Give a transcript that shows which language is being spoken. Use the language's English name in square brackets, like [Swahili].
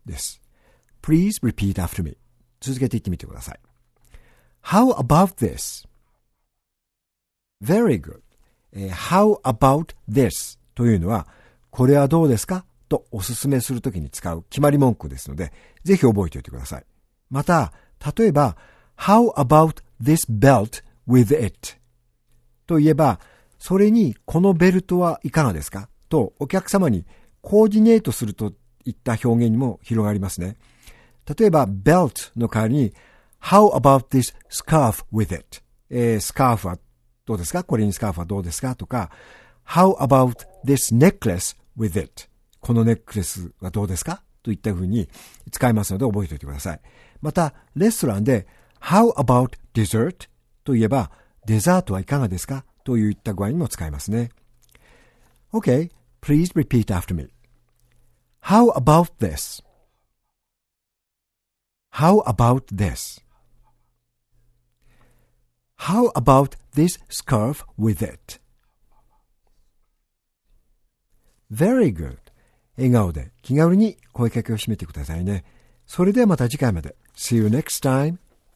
[Japanese] です。 [English] Please repeat after me. [Japanese] 続けて言ってみてください。 [English] How about this? Very good. How about this? [Japanese] というのは、これはどうですか?とおすすめするときに使う決まり文句ですので、ぜひ覚えておいてください。また、例えば、 [English] How about this belt with it? [Japanese] と言えば、それにこのベルトはいかがですか? とお客様にコーディネートするといった表現にも広がりますね。例えば、 [English] belt [Japanese] の代わりに、 [English] How about this scarf with it? [Japanese] スカーフはどうですか?これにスカーフはどうですか? とか、 [English] How about this necklace with it? [Japanese] このネックレスはどうですか?といったふうに使いますので覚えておいてください。また、レストランで、 [English] How about dessert? [Japanese] と言えば、デザートはいかがですか?といった具合にも使いますね。 [English] Okay, please repeat after me.How about this? How about this? How about this scarf with it? Very good. [Japanese] 笑顔で気軽に声かけを締めてくださいね。それではまた次回まで。 [English] See you next time.